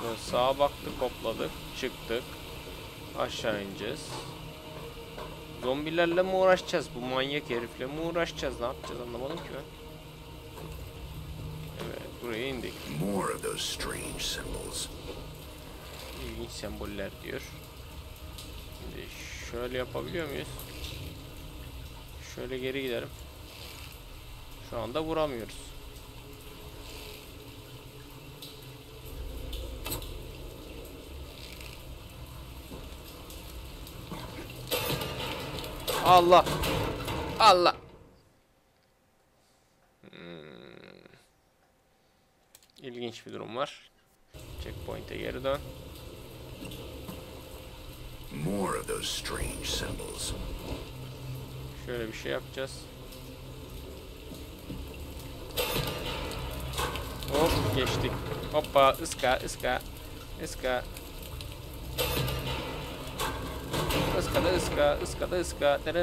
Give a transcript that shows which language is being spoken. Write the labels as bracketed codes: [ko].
[tr] Sağa baktık, kopladık, çıktık. Aşağı ineceğiz. Zombilerle mi uğraşacağız? Bu manyak herifle mi uğraşacağız? Ne yapacağız anlamadım ki ben. Evet, buraya indik. [en] More of those strange symbols. [tr] İlginç semboller diyor. Şimdi şöyle yapabiliyor muyuz? Şöyle geri gidelim. Şu anda vuramıyoruz. Allah Allah. İlginç bir durum var. Checkpoint'e geri dön. [en] More of those strange symbols. [tr] Şöyle bir şey yapacağız. Hop geçtik. Hoppa ıska ıska ıska. Iskada ıska, ıskada ıska.